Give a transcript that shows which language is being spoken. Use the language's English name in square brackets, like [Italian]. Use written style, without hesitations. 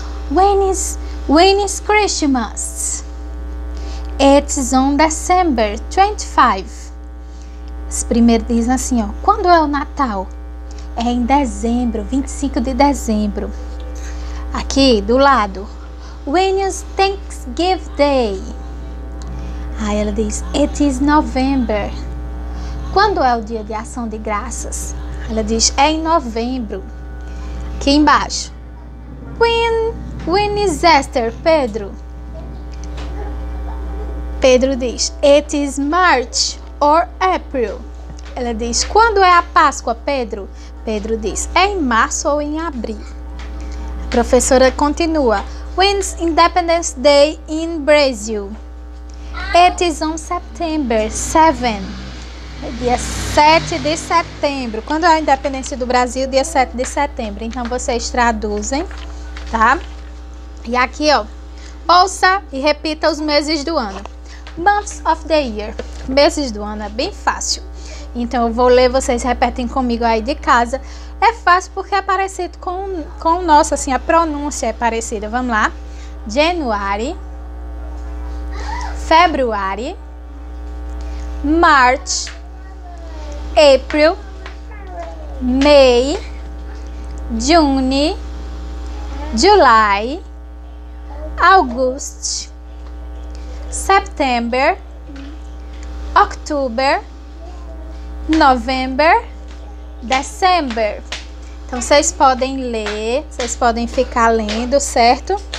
[English] When is Christmas? It's on December 25. [Portuguese] Os primeiros dizem assim, ó. Quando é o Natal? É em dezembro, 25 de dezembro. Aqui do lado. [English] When is Thanksgiving Day? [Portuguese] Aí ela diz, [English] it is November. [Portuguese] Quando é o dia de ação de graças? Ela diz, é em novembro. Aqui embaixo. [English] When is Easter, Pedro? Pedro diz, it is March or April. [Portuguese] Ela diz, quando é a Páscoa, Pedro? Pedro diz, é em março ou em abril. Professora continua. [English] When's Independence Day in Brazil? It is on September 7. [Portuguese] Dia 7 de setembro. Quando é a independência do Brasil? Dia 7 de setembro. Então vocês traduzem, tá? E aqui, ó. Ouça e repita os meses do ano. [English] Months of the year. [Portuguese] Meses do ano é bem fácil. Então eu vou ler, vocês repetem comigo aí de casa. É fácil porque é parecido com o nosso, assim, a pronúncia é parecida. Vamos lá. [English] January, February, March, April, May, June, July, August, September, October, November, December. [Portuguese] Então, vocês podem ler, vocês podem ficar lendo, certo?